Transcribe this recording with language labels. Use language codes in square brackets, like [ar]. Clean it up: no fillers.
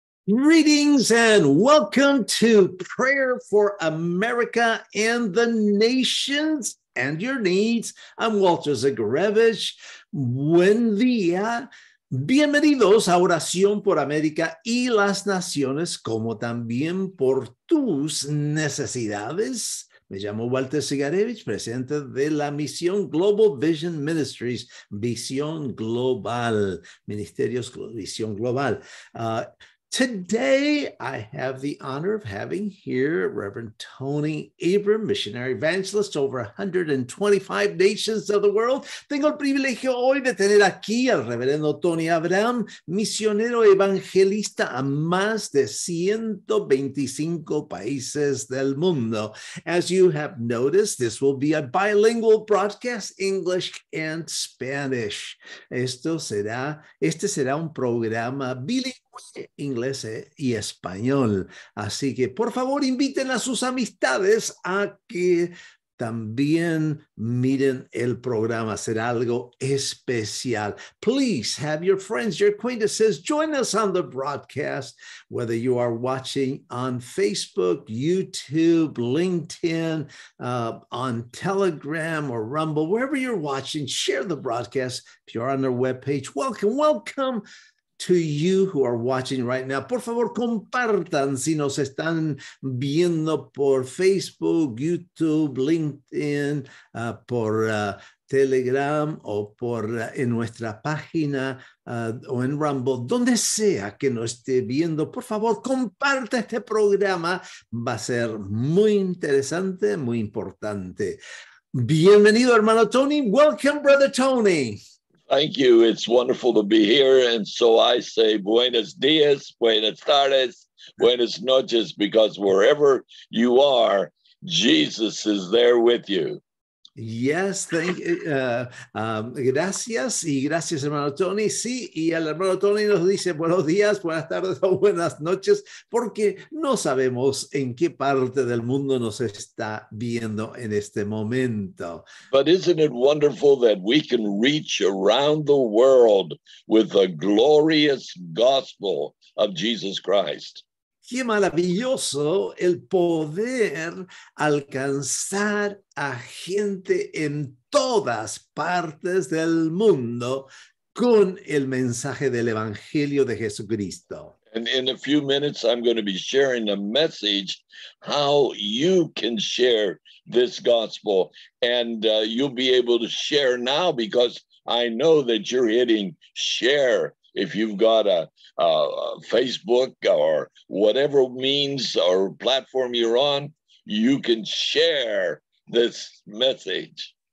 [en] Greetings and welcome to Prayer for America and the Nations and Your Needs. I'm Walter Zygarewicz. [es] Buen día. Bienvenidos a Oración por América y las Naciones, como también por tus necesidades. Me llamo Walter Zygarewicz, presidente de la misión Global Vision Ministries, Visión Global, Ministerios Visión Global. [en] Today, I have the honor of having here Reverend Tony Abram, missionary evangelist to over 125 nations of the world. [es] Tengo el privilegio hoy de tener aquí al Reverendo Tony Abram, misionero evangelista a más de 125 países del mundo. [en] As you have noticed, this will be a bilingual broadcast, English and Spanish. [es] Este será un programa bilingüe. Inglés y español. Así que, por favor, inviten a sus amistades a que también miren el programa. Será algo especial. [en] Please have your friends, your acquaintances, join us on the broadcast, whether you are watching on Facebook, YouTube, LinkedIn, on Telegram or Rumble, wherever you're watching, share the broadcast. If you're on their webpage, welcome. To you who are watching right now, [es] por favor, compartan si nos están viendo por Facebook, YouTube, LinkedIn, por Telegram o por en nuestra página o en Rumble, donde sea que nos esté viendo, por favor, comparta este programa. Va a ser muy interesante, muy importante. Bienvenido, hermano Tony. [en] Welcome, brother Tony. Thank you. It's wonderful to be here. And so I say [es] buenos dias, buenas tardes, buenas noches, [en] because wherever you are, Jesus is there with you. Yes, thank you. [es] Gracias y gracias, hermano Tony. Sí, y el hermano Tony nos dice buenos días, buenas tardes o buenas noches, porque no sabemos en qué parte del mundo nos está viendo en este momento. [en] But isn't it wonderful that we can reach around the world with the glorious gospel of Jesus Christ? [es] Qué maravilloso el poder alcanzar a gente en todas partes del mundo con el mensaje del Evangelio de Jesucristo. [en] And in a few minutes, I'm going to be sharing a message how you can share this gospel. And you'll be able to share now because I know that you're hitting share. If you've got a Facebook or whatever means or platform you're on, you can share this message.